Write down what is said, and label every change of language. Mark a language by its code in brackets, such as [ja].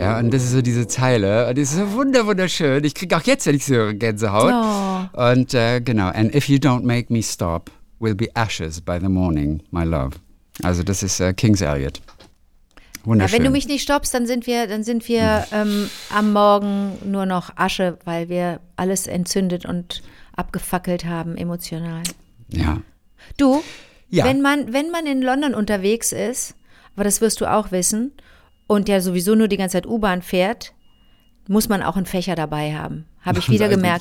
[de] Ja, und das ist so diese Zeile. Und die ist so wunderschön. Ich kriege auch jetzt, wenn ich so Gänsehaut. Oh. Und genau. [en] And if you don't make me stop, we'll be ashes by the morning, my love. [de] Also das ist Kings Elliot. Wunderschön. Ja, wenn du mich nicht stoppst, dann sind wir am Morgen nur noch Asche, weil wir alles entzündet und abgefackelt haben, emotional. Ja. Du, ja. Wenn man in London unterwegs ist, aber das wirst du auch wissen, und ja sowieso nur die ganze Zeit U-Bahn fährt, muss man auch einen Fächer dabei haben. Habe ich wieder gemerkt.